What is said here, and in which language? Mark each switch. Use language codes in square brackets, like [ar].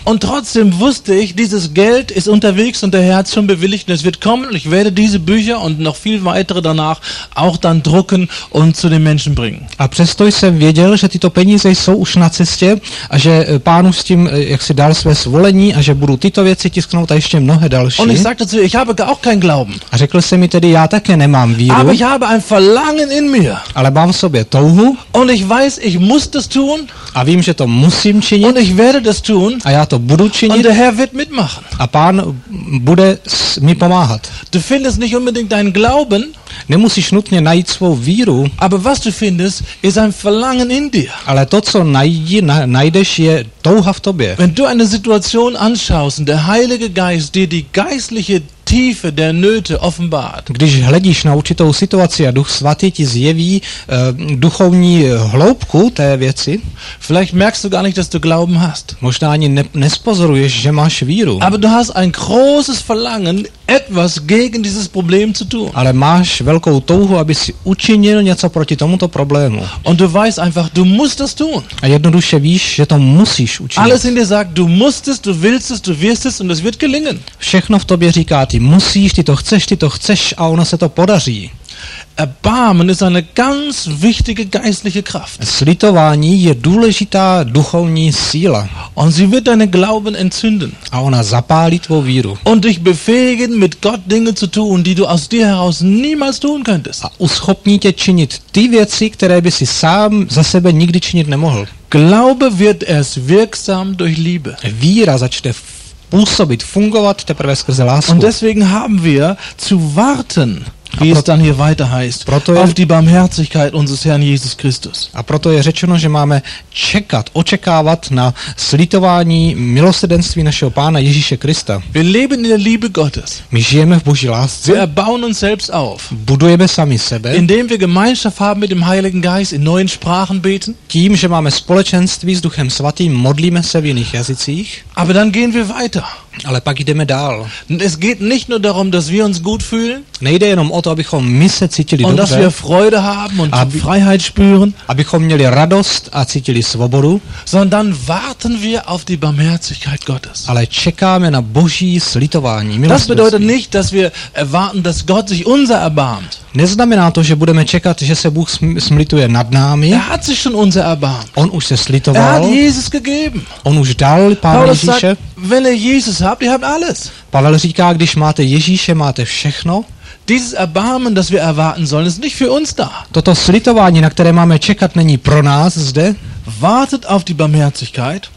[de] Und trotzdem wusste ich, dieses Geld ist unterwegs und der Herr hat schon bewilligt und es wird kommen und ich werde diese Bücher und noch viel weitere danach auch dann drucken und zu den Menschen bringen. [cs] A přesto jsem věděl, že tyto peníze jsou už na cestě a že pánu s tím, jak si dal své svolení a že budu tyto věci tisknout a ještě mnohé další. [de] Und ich sagte zu ihr, ich habe auch keinen Glauben. [cs] A řekl jsem mi tedy, já také nemám víru. [de] Aber ich habe ein Verlangen in mir. [cs] Ale mám v sobě touhu. [de] Und ich weiß, ich muss das tun. [cs] A vím, že to musím činit. [de] Und ich werde das tun. [cs] A já to budu činit. [de] Und der Herr wird mitmachen. [cs] A pán bude mi pomáhat. [de] Du findest nicht unbedingt deinen Glauben. [cs] Nemusíš nutně najít svou víru. [de] Aber was du findest, ist ein Verlangen in dir. [cs] Ale to, co najdeš, je touha v tobě. [de] Wenn du eine Situation anschaust und der Heilige Geist dir die geistliche Tiefe der Nöte offenbart. [cs] Když hledíš na určitou situaci a Duch Svatý ti zjeví duchovní hloubku té věci, [de] vielleicht merkst du gar nicht, dass du Glauben hast. [cs] Možná ani nespozoruješ, že máš víru. [de] Aber du hast ein großes Verlangen, etwas gegen dieses Problem zu tun. [cs] Ale máš velkou touhu, aby si učinil něco proti tomuto problému. [de] Und du weißt einfach, du musst das tun. [cs] A jednoduše víš, že to musíš učinit. [de] Alles in dir sagt, du musst es, du willst es, du wirst es und es wird gelingen. [cs] Všechno v tobě říká, ty musíš, ty to chceš a ono se to podaří. [de] Erbarmen ist eine ganz wichtige geistliche Kraft. [cs] Slitování je důležitá duchovní síla. [de] Und sie wird deinen Glauben entzünden. [cs] A ona zapálí tvou víru. [de] Und dich befähigen, mit Gott Dinge zu tun, die du aus dir heraus niemals tun könntest. [cs] A uschopní tě činit ty věci, které by si sám za sebe nikdy činit nemohl. [de] Glaube wird erst wirksam durch Liebe. [cs] Víra začne působit, fungovat teprve skrze lásku. [de] Und deswegen haben wir zu warten. wie es dann hier weiter heißt, auf die Barmherzigkeit unseres Herrn Jesus Christus. [cs] A proto je řečeno, že máme čekat, očekávat na slitování, milosrdenství našeho Pána Ježíše Krista. [de] Wir leben in der Liebe Gottes. [cs] My žijeme v Boží lásce. [de] Wir erbauen uns selbst auf. [cs] Budujeme sami sebe. [de] Indem wir Gemeinschaft haben mit dem Heiligen Geist, in neuen Sprachen beten. [cs] Tím, že máme společenství s Duchem Svatým, modlíme se v jiných jazycích. [de] Aber dann gehen wir weiter. [cs] Ale pak jdeme dál. [de] Es geht nicht nur darum, dass wir uns gut fühlen. [cs] Nejde jenom o to, abychom my se cítili dobře. [de] Und dass wir Freude haben und Freiheit spüren. [cs] Abychom měli radost a cítili svobodu. [de] Sondern warten wir auf die Barmherzigkeit Gottes. [cs] Ale čekáme na Boží slitování. [de] Das bedeutet nicht, dass wir erwarten, dass Gott sich unser erbarmt. [cs] Neznamená to, že budeme čekat, že se Bůh smlituje nad námi. [de] Er hat sich schon unser erbarmt. [cs] On už se slitoval. [de] Er hat Jesus gegeben. [cs] On už dal Pána Ježíše. [de] Wenn ihr Jesus habt, ihr habt alles. [cs] Pavel říká, když máte Ježíše, máte všechno. [de] Dieses Erbarmen, das wir erwarten sollen, ist nicht für uns da. [cs] Toto slitování, na které máme čekat, není pro nás zde. [de] Wartet auf die Barmherzigkeit.